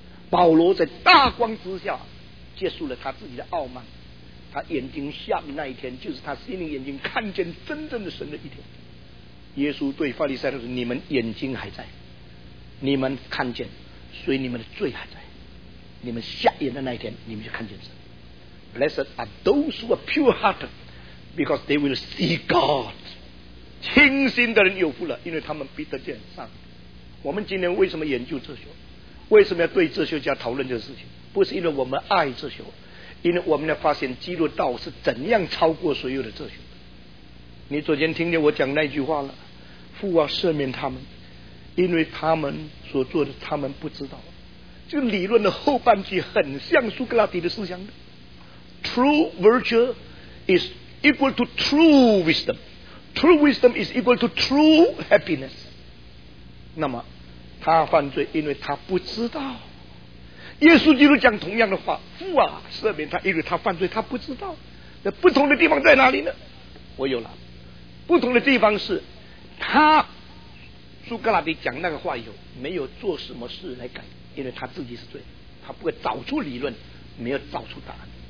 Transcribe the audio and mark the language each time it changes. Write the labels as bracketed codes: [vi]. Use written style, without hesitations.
[zh] 保罗在大光之下结束了他自己的傲慢，他眼睛瞎的那一天就是他心灵眼睛看见真正的神的一天。耶稣对法利赛人说，你们眼睛还在，你们看见，所以你们的罪还在，你们瞎眼的那一天你们就看见神。 [en] Blessed are those who are pure hearted because they will see God， [zh] 清心的人有福了，因为他们必得见上帝。我们今天为什么研究哲学，为什么要对哲学家讨论这个事情？不是因为我们爱哲学，因为我们要发现基督道是怎样超过所有的哲学。你昨天听见我讲那句话了，父啊赦免他们，因为他们所做的他们不知道。这个理论的后半句很像苏格拉底的思想的。 [en] True virtue is equal to true wisdom. True wisdom is equal to true happiness. [zh] 那么他犯罪，因为他不知道。耶稣基督讲同样的话，父啊赦免他，因为他犯罪他不知道。那不同的地方在哪里呢？我有了，不同的地方是他苏格拉底讲那个话以后没有做什么事来改，因为他自己是罪，他不会找出理论没有找出答案。